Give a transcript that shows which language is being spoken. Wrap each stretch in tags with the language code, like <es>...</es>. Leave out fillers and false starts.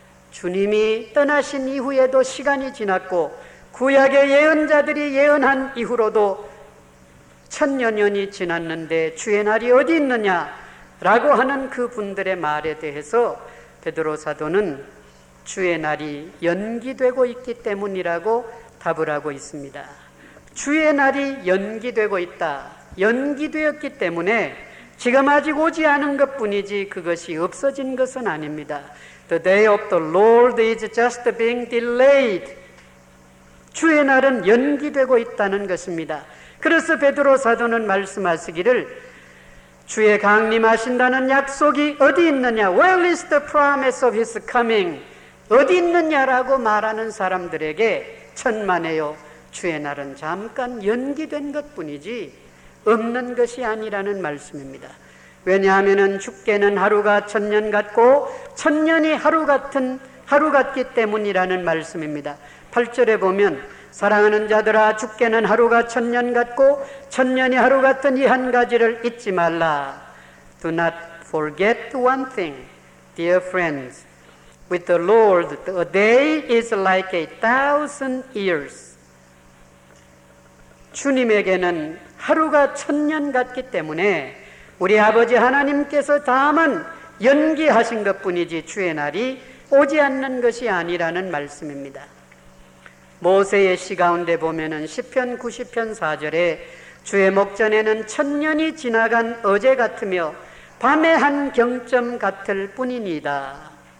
<ko>주님이 떠나신 이후에도 시간이 지났고 구약의 예언자들이 예언한 이후로도 천여 년이 지났는데 주의 날이 어디 있느냐라고 하는 그분들의 말에 대해서 베드로 사도는 주의 날이 연기되고 있기 때문이라고 답을 하고 있습니다. 주의 날이 연기되고 있다. 연기되었기 때문에 지금 아직 오지 않은 것뿐이지 그것이 없어진 것은 아닙니다.</ko> <en>The day of the Lord is just being delayed.</en> <ko>주의 날은 연기되고 있다는 것입니다. 그래서 베드로 사도는 말씀하시기를 주의 강림하신다는 약속이 어디 있느냐?</ko> <en>Where is the promise of his coming?</en> <ko>어디 있느냐라고 말하는 사람들에게 천만에요. 주의 날은 잠깐 연기된 것뿐이지 없는 것이 아니라는 말씀입니다. 왜냐하면 주께는 하루가 천년 같고 천년이 하루 같은 하루 같기 때문이라는 말씀입니다. 8절에 보면 사랑하는 자들아 주께는 하루가 천년 같고 천년이 하루 같은 이 한 가지를 잊지 말라.</ko> <en>Do not forget one thing, dear friends. With the Lord, a day is like a thousand years.</en> <ko>주님에게는 하루가 천년 같기 때문에 우리 아버지 하나님께서 다만 연기하신 것뿐이지 주의 날이 오지 않는 것이 아니라는 말씀입니다. 모세의 시 가운데 보면은 시편 90편 4절에 주의 목전에는 천년이 지나간 어제 같으며 밤의 한 경점 같을 뿐이니이다.</ko>